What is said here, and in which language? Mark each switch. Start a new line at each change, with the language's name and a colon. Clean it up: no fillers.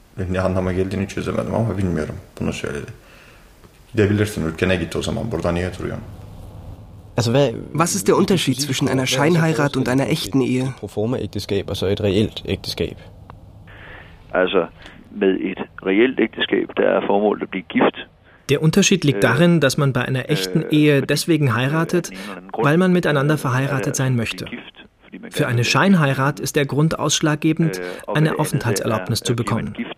Turkish: ne anlama geldiğini çözemedim ama bilmiyorum. Bunu söyledi. Gidebilirsin, ülkene git o zaman. Burada niye duruyorsun?
German: Was ist der Unterschied zwischen einer Scheinheirat und einer echten Ehe?
Danish: Pro forma ægteskab, altså et reelt ægteskab. Altså, med et reelt ægteskab, der er formålet at blive gift.
German: Der Unterschied liegt darin, dass man bei einer echten Ehe deswegen heiratet, weil man miteinander verheiratet sein möchte. Für eine Scheinheirat ist der Grund ausschlaggebend, eine Aufenthaltserlaubnis zu bekommen.